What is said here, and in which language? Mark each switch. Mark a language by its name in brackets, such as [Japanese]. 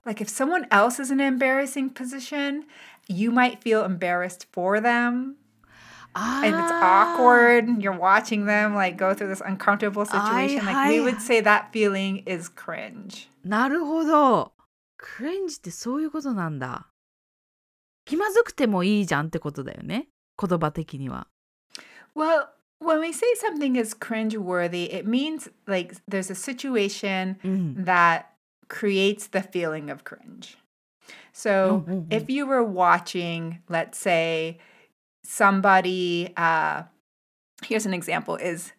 [English] Like if someone else is in an embarrassing position, you might feel embarrassed for them. Ah. And it's awkward and you're watching them like go through this uncomfortable situation. Like we would say that feeling is cringe. [Japanese] なるほど。Cringe ってそういうことなんだ。気まずくてもいいじゃんってことだよね、言葉的には。 [English] Well, when we say something is cringe-worthy, it means like there's a situation、うん、that creates the feeling of cringe. So、うんうんうん、if you were watching, let's say, somebody,、here's an example, is、